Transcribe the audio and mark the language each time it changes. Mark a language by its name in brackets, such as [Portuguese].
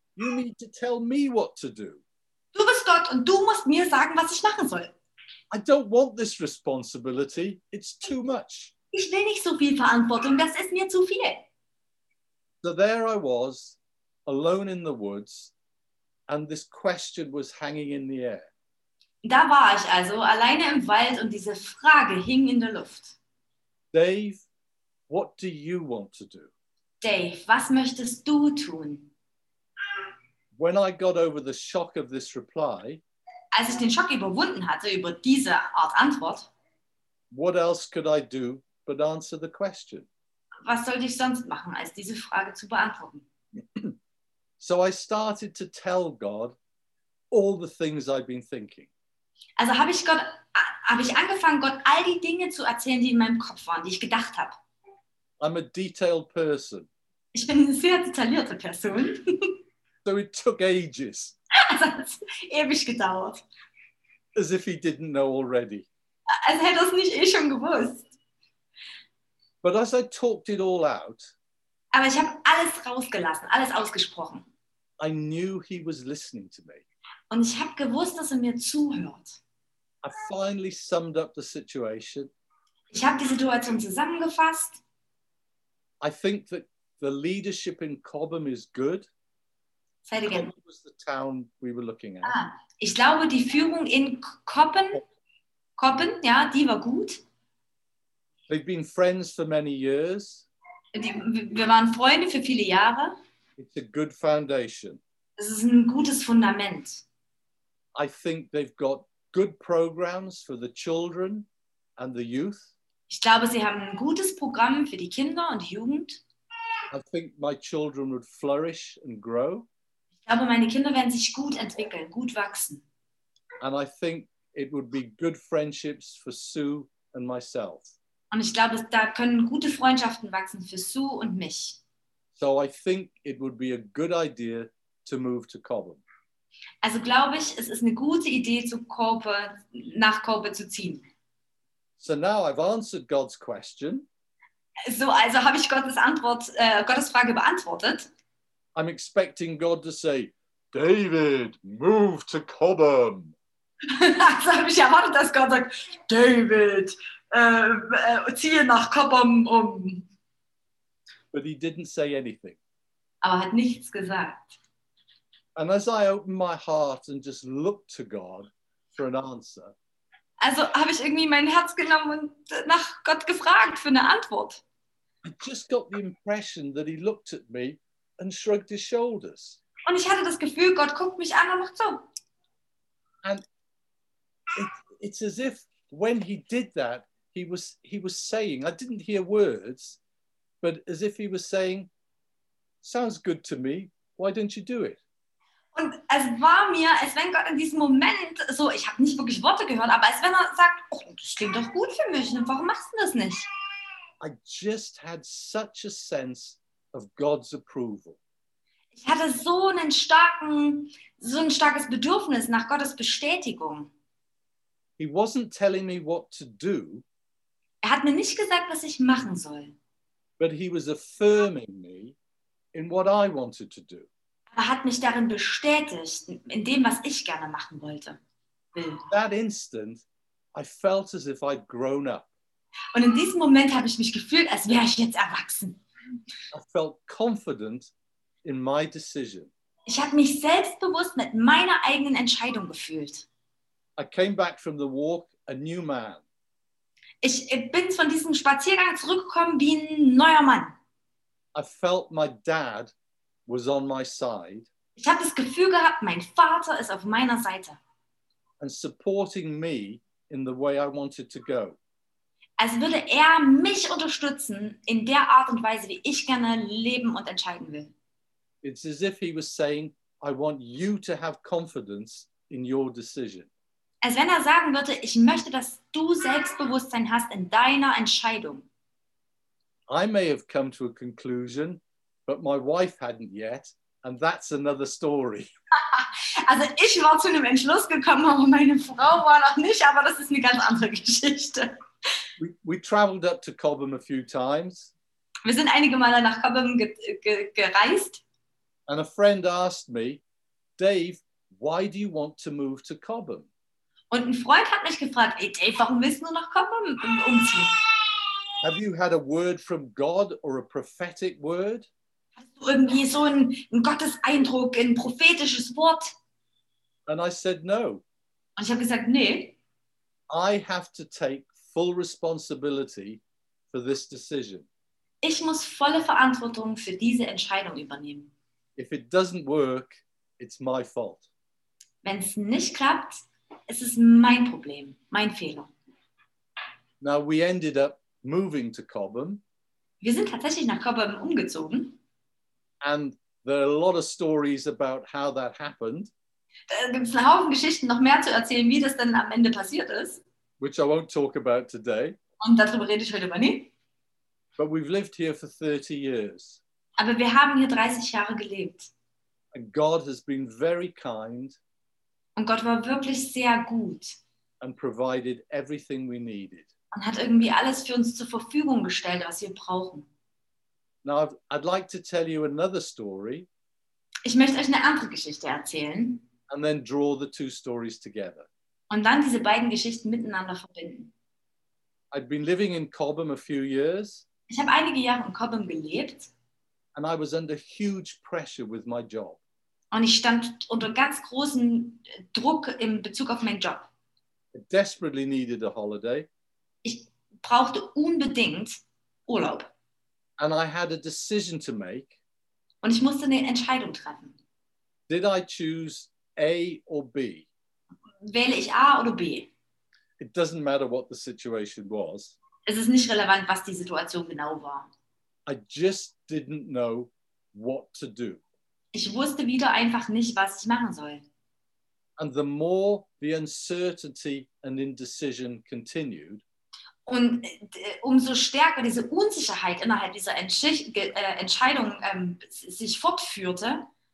[English] You need to tell me what to do. [German] Du bist Gott und du musst mir sagen, was ich machen soll. [English] I don't want this responsibility. It's too much. [German] Ich will nicht so viel Verantwortung. Das ist mir zu viel. [English] So there I was, alone in the woods, and this question was hanging in the air. [German] Da war ich also alleine im Wald und diese Frage hing in der Luft. [English] Dave, what do you want to do? [German] Dave, was möchtest du tun? [English] When I got over the shock of this reply, [German] als ich den Schock überwunden hatte über diese Art Antwort, [English] what else could I do but answer the question? [German] Was sollte ich sonst machen, als diese Frage zu beantworten? [English] So I started to tell God all the things I've been thinking. [German] Also habe ich angefangen, Gott all die Dinge zu erzählen, die in meinem Kopf waren, die ich gedacht habe. [English] I'm a detailed person. [German] Ich bin eine sehr detaillierte Person. [English] So it took ages. [German] Also hat ewig gedauert. [English] As if he didn't know already. [German] Als hätte es nicht eh schon gewusst. [English] But as I talked it all out. [German] Aber ich habe alles rausgelassen, alles ausgesprochen. [English] I knew he was listening to me. [German] Und ich habe gewusst, dass mir zuhört. [English] I finally summed up the situation. [German] Ich habe die Situation zusammengefasst. [English] I think that the leadership in Cobham is good. Say it again. Cobham was the town we were looking at. [German] Ah, ich glaube, die Führung in Cobham, ja, die war gut. [English] They've been friends for many years. [German] Wir waren Freunde für viele Jahre. [English] It's a good foundation. [German] Es ist ein gutes Fundament. [English] I think they've got good programs for the children and the youth. [German] Ich glaube, sie haben ein gutes Programm für die Kinder und Jugend. [English] I think my children would flourish and grow. [German] Ich glaube, meine Kinder werden sich gut entwickeln, gut wachsen. [English] And I think it would be good friendships for Sue and myself. [German] Und ich glaube, da können gute Freundschaften wachsen für Sue und mich. [English] So I think it would be a good idea to move to Cobham. [German] Also glaube ich, es ist eine gute Idee, nach Cobham zu ziehen. [English] So now I've answered God's question. [German] So, also habe ich Gottes Frage beantwortet. [English] I'm expecting God to say, David, move to Cobham. [German] Also habe ich erwartet, dass Gott sagt, David, ziehe nach Cobham um. [English] But he didn't say anything. [German] Aber hat nichts gesagt. [English] And as I opened my heart and just looked to God for an answer. [German] Also habe ich irgendwie mein Herz genommen und nach Gott gefragt für eine Antwort. [English] I just got the impression that he looked at me and shrugged his shoulders. [German] Und ich hatte das Gefühl, Gott guckt mich an und macht so. [English] And it's as if when he did that, he was saying, I didn't hear words, but as if he was saying, sounds good to me, why don't you do it? [German] Und es war mir, als wenn Gott in diesem Moment so, ich habe nicht wirklich Worte gehört, aber als wenn er sagt, oh, das klingt doch gut für mich, warum machst du das nicht? [English] I just had such a sense of God's approval. [German] Ich hatte so ein starkes Bedürfnis nach Gottes Bestätigung. [English] He wasn't telling me what to do. [German] Er hat mir nicht gesagt, was ich machen soll. [English] But he was affirming me in what I wanted to do. [German] Er hat mich darin bestätigt, in dem, was ich gerne machen wollte. [English] In that instant, I felt as if I'd grown up. [German] Und in diesem Moment habe ich mich gefühlt, als wäre ich jetzt erwachsen. [English] I felt confident in my decision. [German] Ich habe mich selbstbewusst mit meiner eigenen Entscheidung gefühlt. [English] I came back from the walk a new man. [German] Ich bin von diesem Spaziergang zurückgekommen wie ein neuer Mann. [English] I felt my dad was on my side. [German] Ich habe das Gefühl gehabt, mein Vater ist auf meiner Seite. [English] And supporting me in the way I wanted to go. [German] Als würde er mich unterstützen in der Art und Weise, wie ich gerne leben und entscheiden will. [English] It's as if he was saying, I want you to have confidence in your decision. [German] Als wenn er sagen würde, ich möchte, dass du Selbstbewusstsein hast in deiner Entscheidung. [English] I may have come to a conclusion, but my wife hadn't yet, And that's another story. [German] Also ich war zu einem Entschluss gekommen, aber meine Frau war noch nicht, aber das ist eine ganz andere Geschichte. [English] We traveled up to Cobham a few times. [German] Wir sind einige Male nach Cobham gereist. [English] And a friend asked me, Dave, why do you want to move to Cobham? [German] Und ein Freund hat mich gefragt, hey Dave, warum willst du nach Cobham umziehen? [English] Have you had a word from God or a prophetic word? [German] Hast du irgendwie so einen Gotteseindruck, ein prophetisches Wort? [English] And I said no. [German] Und ich habe gesagt, nee. [English] I have to take full responsibility for this decision. [German] Ich muss volle Verantwortung für diese Entscheidung übernehmen. [English] If it doesn't work, it's my fault. [German] Wenn es nicht klappt, ist es mein Problem, mein Fehler. [English] Now we ended up moving to Cobham. [German] Wir sind tatsächlich nach Cobham umgezogen. [English] And there are a lot of stories about how that happened. [German] Da gibt's einen Haufen Geschichten, noch mehr zu erzählen, wie das dann am Ende passiert ist. [English] Which I won't talk about today. [German] Und darüber rede ich heute aber nicht. [English] But we've lived here for 30 years. [German] Aber wir haben hier 30 Jahre gelebt. [English] And God has been very kind. [German] Und Gott war wirklich sehr gut. [English] And provided everything we needed. [German] Und hat irgendwie alles für uns zur Verfügung gestellt, was wir brauchen. [English] Now I'd like to tell you another story. [German] Ich möchte euch eine andere Geschichte erzählen. [English] And then draw the two stories together. [German] Und dann diese beiden Geschichten miteinander verbinden. [English] I'd been living in Cobham a few years. [German] Ich habe einige Jahre in Cobham gelebt. [English] And I was under huge pressure with my job. [German] Und ich stand unter ganz großen Druck in Bezug auf meinen Job. [English] I desperately needed a holiday. [German] Ich brauchte unbedingt Urlaub. [English] And I had a decision to make. [German] Und ich musste eine Entscheidung treffen. [English] Did I choose A or B? [German] Wähle ich A oder B? [English] It doesn't matter what the situation was. [German] Es ist nicht relevant, was die Situation genau war. [English] I just didn't know what to do. [German] Ich wusste wieder einfach nicht, was ich machen soll. [English] And the more the uncertainty and indecision continued, [German] und umso stärker diese Unsicherheit innerhalb dieser Entscheidung sich fortführte,